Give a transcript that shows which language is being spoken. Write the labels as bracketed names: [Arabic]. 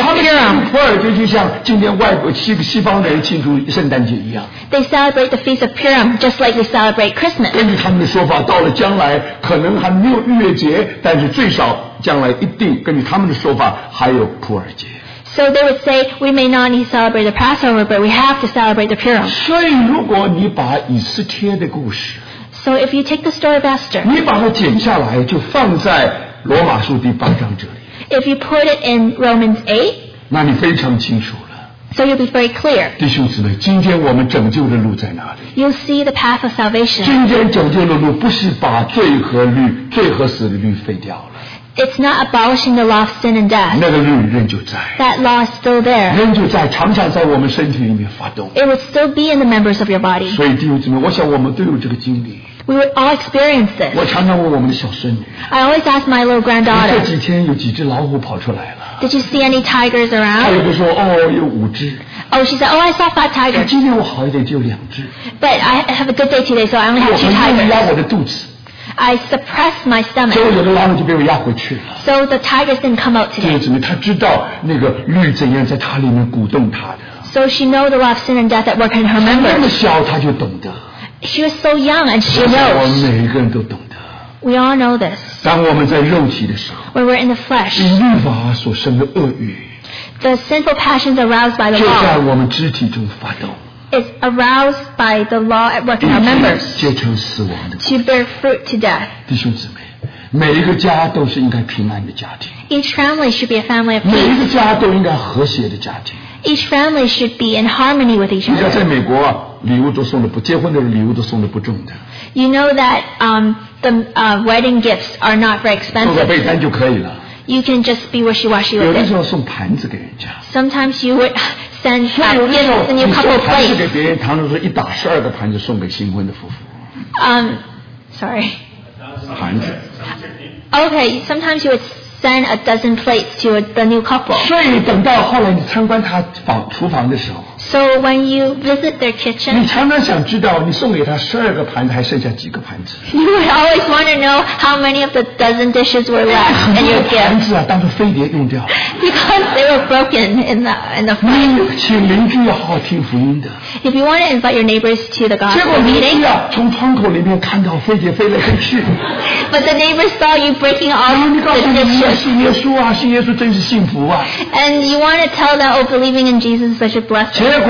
[Chinese] 他们庆祝普尔节就像今天外国西方人庆祝圣诞节一样。 [English] They celebrate the Feast of Purim just like we celebrate Christmas. [Chinese] 根据他们的说法，到了将来可能还没有逾越节，但是最少将来一定根据他们的说法还有普尔节。 [English] So they would say we may not need to celebrate the Passover, but we have to celebrate the Purim. [Chinese] 所以如果你把以斯帖的故事， [English] So if you take the story of Esther, [Chinese] 你把它剪下来就放在罗马书第八章这里。 [English] If you put it in Romans 8, [Chinese] 那你非常清楚了。 [English] So you'll be very clear. [Chinese] 弟兄姊妹，今天我们拯救的路在哪里？ [English] You'll see the path of salvation. [Chinese] 今天拯救的路不是把罪和律、罪和死的律废掉了。 [English] It's not abolishing the law of sin and death. [Chinese] 那个律仍旧在。 [English] That law is still there. [Chinese] 仍旧在，常常在我们身体里面发动。 [English] It will still be in the members of your body. [Chinese] 所以弟兄姊妹，我想我们都有这个经历。 [English] We would all experience this. [Chinese] 我常常问我们的小孙女。 [English] I always ask my little granddaughter. [Chinese] 这几天有几只老虎跑出来了。 [English] Did you see any tigers around? [Chinese] 她也不说，哦，有五只。 [English] Oh, she said, oh, I saw five tigers. [Chinese] 今天我好一点，就有两只。 [English] But I have a good day today, so I only have two tigers. [Chinese] 我很压我的肚子。 [English] I suppress my stomach. [Chinese] 结果有的老虎就被我压回去了。 [English] So the tigers didn't come out today. [Chinese] 弟兄姊妹，她知道那个律怎样在她里面鼓动她的。 [English] So she knows the law of sin and death that work in her members. [Chinese] 她那么小，她就懂得。 [English] She was so young and she knows. We all know this. [Chinese] 当我们在肉体的时候， [English] When we're in the flesh, [Chinese] 律法所生的恶欲， [English] the sinful passions aroused by the law, [Chinese] 就在我们肢体中发动， [English] is aroused by the law at work in our members, [Chinese] 结成死亡的果 [English] 子， to bear fruit to death. [Chinese] 弟兄姊妹，每一个家都是应该平安的家庭， [English] Each family should be a family of peace. [Chinese] 每一个家都应该和谐的家庭， [English] Each family should be in harmony with each other. [Chinese] 你知道在美国啊，礼物都送的不结婚的人礼物都送的不重的。 [English] You know that the wedding gifts are not very expensive. [Chinese] 送个被单就可以了。 [English] You can just be wishy-washy with it. [Chinese] 有的时候送盘子给人家。 [English] Sometimes you would send gifts and you couple plates. [Chinese] 有的时候你送盘子给别人，常常说一打十二个盘子送给新婚的夫妇。 [English] Sorry. [Chinese] 盘子。 [English] Okay, sometimes you would send a dozen plates to the new couple. [Chinese] 所以等到后来你参观他厨房的时候。 [English] So when you visit their kitchen, [Chinese] 你常常想知道你送给他十二个盘子还剩下几个盘子。 [English] You would always want to know how many of the dozen dishes were left in your gift. [Chinese] 很多盘子啊，当做飞碟用掉。 [English] Because they were broken in the fight. [Chinese] 你请邻居要好好听福音的。 [English] If you want to invite your neighbors to the gospel meeting, [Chinese] 结果邻居啊，从窗口里面看到飞碟飞来飞去。 [English] But the neighbors saw you breaking all the dishes. [Chinese] 信耶稣啊，信耶稣真是幸福啊。 [English] And you want to tell them, oh, believing in Jesus is such a blessing.